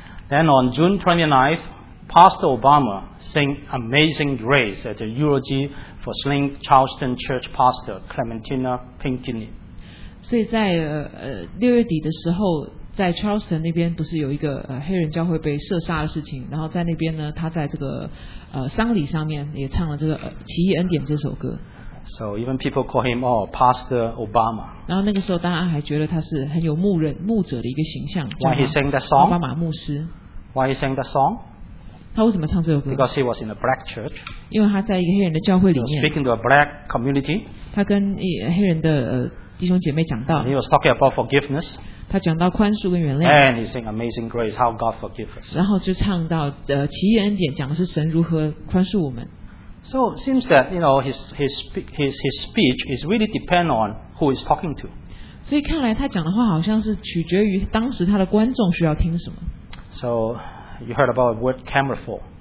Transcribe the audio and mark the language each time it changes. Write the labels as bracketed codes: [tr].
[en] Then on June 29th, Pastor Obama sang Amazing Grace at the eulogy for slain Charleston Church pastor Clementina Pinckney. [zh] 所以在6月底的时候, 在Charleston那边不是有一个黑人教会被射杀的事情,然后在那边呢,他在这个丧礼上面也唱了这个奇异恩典这首歌。 [en] So even people call him, oh, Pastor Obama. [zh] 然后那个时候大家还觉得他是很有牧者的一个形象。 [en] Why he sang that song? [zh] 奥巴马牧师。 [en] Why he sang that song? [zh] 他为什么唱这首歌? [en] Because he was in a black church. [zh] 因为他在一个黑人的教会里面。 [en] He was speaking to a black community. [zh] 他跟黑人的弟兄姐妹讲到。 [en] And he was talking about forgiveness. [zh] 他讲到宽恕跟原谅, [en] and he sang Amazing Grace, how God forgives us. [zh] 然后就唱到, 奇异恩典, 讲的是神如何宽恕我们。 [en] So it seems that, you know, his speech is really depend on who he's talking to. [zh] 所以看来他讲的话好像是取决于当时他的观众需要听什么。 [en] So you heard about the word camouflage.